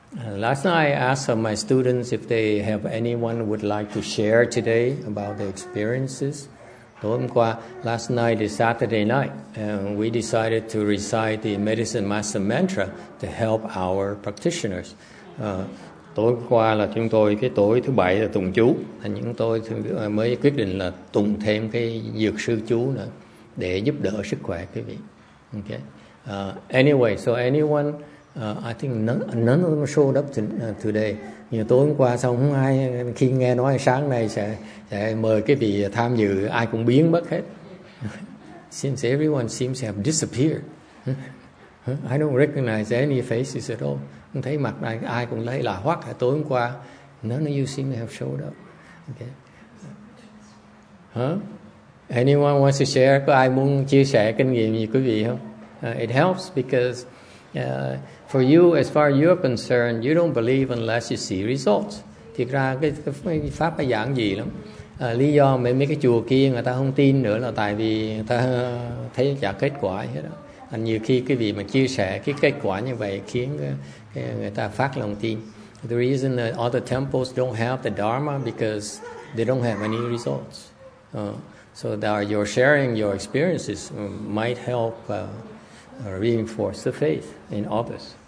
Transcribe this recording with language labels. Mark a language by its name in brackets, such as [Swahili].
[English] Last night I asked some of my students if they have anyone would like to share today about their experiences. [Vietnamese] Tối hôm qua, [English] last night is Saturday night, and we decided to recite the Medicine Master Mantra to help our practitioners. [Vietnamese] Tối hôm qua là chúng tôi cái tối thứ bảy là tụng chú, thành chúng tôi mới quyết định là tụng thêm cái dược sư chú nữa để giúp đỡ sức khỏe quý vị. Okay. [English] Anyway, so anyone, I think none of them showed up today. [Vietnamese] Như tối hôm qua xong không ai, khi nghe nói sáng nay sẽ mời cái vị tham dự, ai cũng biến mất hết. [English] Since everyone seems to have disappeared. I don't recognize any faces at all. [Vietnamese] Không thấy mặt này, ai cũng lấy là hoắc. Tối hôm qua, [English] none of you seem to have showed up. Okay. Huh? Anyone wants to share? [Vietnamese] Có ai muốn chia sẻ kinh nghiệm gì quý vị không? [English] It helps because for you, as far as you're concerned, you don't believe unless you see results. [Vietnamese] Thiệt ra cái pháp nó giản dị lắm. Lý do mấy cái chùa kia người ta không tin nữa là tại vì người ta thấy chả kết quả hết đó. Anh nhiều khi cái vị mà chia sẻ cái kết quả như vậy khiến người ta phát lòng tin. [English] The reason that all the temples don't have the Dharma because they don't have any results. So that your sharing your experiences might help reinforce the faith in others.